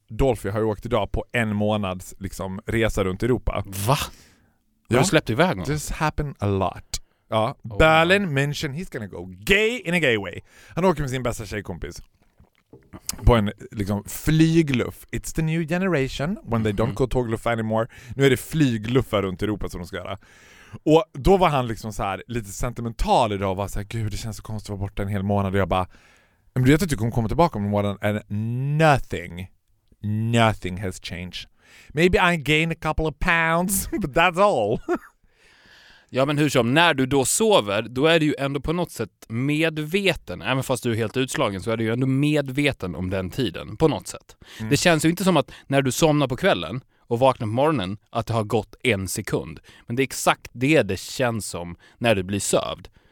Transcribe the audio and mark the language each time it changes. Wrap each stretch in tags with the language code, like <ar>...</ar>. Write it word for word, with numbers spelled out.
<sv>Dolphy har ju åkt idag på en månads liksom, resa runt Europa. Va? Ja. Har du släppt iväg någon?</sv> <en>This happened a lot. Ja, oh. Berlin, München, he's gonna go gay in a gay way.</en> <sv>Han åker med sin bästa tjejkompis på en liksom, flygluff.</sv> <en>It's the new generation when they don't go tågluffa anymore.</en> <sv>Nu är det flygluffar runt Europa som de ska göra. Och då var han liksom så här lite sentimental idag och var så här, gud det känns så konstigt att vara borta en hel månad. Och jag bara, men du vet att du kommer komma tillbaka om en månad</sv> <en>and nothing, nothing has changed. Maybe I gain a couple of pounds, but that's all.</en> <sv>Ja, men hur som, när du då sover, då är du ju ändå på något sätt medveten. Även fast du är helt utslagen så är du ju ändå medveten om den tiden, på något sätt. Mm. Det känns ju inte som att när du somnar på kvällen och vaknar på morgonen att det har gått en sekund. Men det är exakt det det känns som när du blir sövd.</sv>